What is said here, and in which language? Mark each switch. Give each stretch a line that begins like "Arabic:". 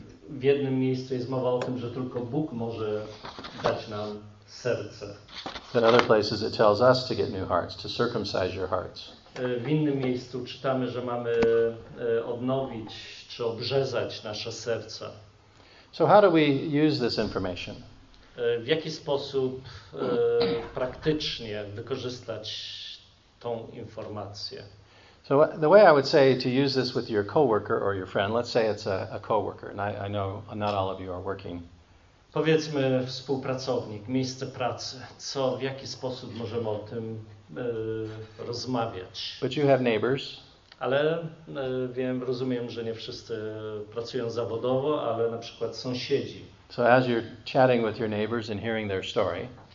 Polish: W jednym miejscu jest mowa o tym, że tylko Bóg może dać nam serce.
English: In other places it tells us to get new hearts, to circumcise your hearts.
Polish: W innym miejscu czytamy, że mamy odnowić czy obrzezać nasze serca.
English: So how do we use this information?
Polish: W jaki sposób praktycznie wykorzystać tą informację?
English: So the way I would say to use this with your coworker or your friend, let's say it's a coworker, and I know not all of you are working.
Polish: Powiedzmy współpracownik, miejsce pracy. Co, w jaki sposób możemy o tym rozmawiać?
English: But you have neighbors.
Polish: Ale wiem, rozumiem, że nie wszyscy pracują zawodowo, ale na przykład sąsiedzi.
English: So as you're chatting with your neighbors and hearing their story,